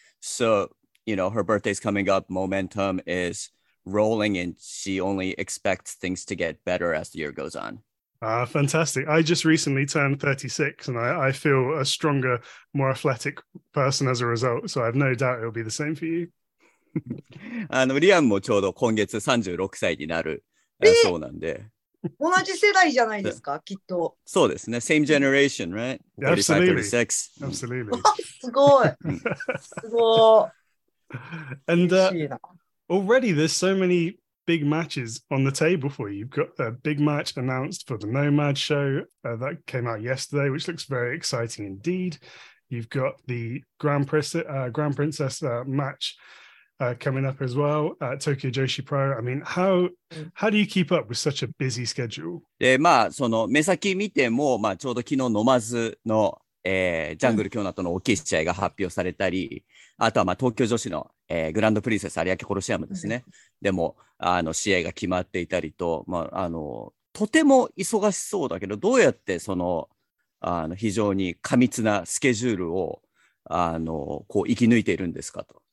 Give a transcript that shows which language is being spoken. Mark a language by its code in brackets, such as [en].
[en] So, you know, her birthday's coming up, momentum is rolling, and she only expects things to get better as the year goes on. Fantastic. I just recently turned 36, and I feel a stronger, more athletic person as a result. So I have no doubt it'll be the same for you. [ja] リアンもちょうど今月36歳になる、そうなんで。同じ世代じゃないですか、きっと。そうですね。 [en] Same generation, right? Absolutely. Absolutely. [ja] すごい。すごい。 [en] And already there's so many big matches on the table for you. You've got a big match announced for the Nomad show that came out yesterday, which looks very exciting indeed. You've got the Grand Princess match. Coming up as well at Tokyo Joshi Pro. I mean, how do you keep up with such a busy schedule? [ja] で、まあ、その目先見ても、まあ、ちょうど昨日ノマズの、ジャングル京奈との大きい試合が発表されたり、あとは、まあ、東京女子の、グランドプリンセス有明コロシアムですね。でも、試合が決まっていたりと、まあ、とても忙しそうだけど、どうやってその、非常に過密なスケジュールを、こう生き抜いているんですかと。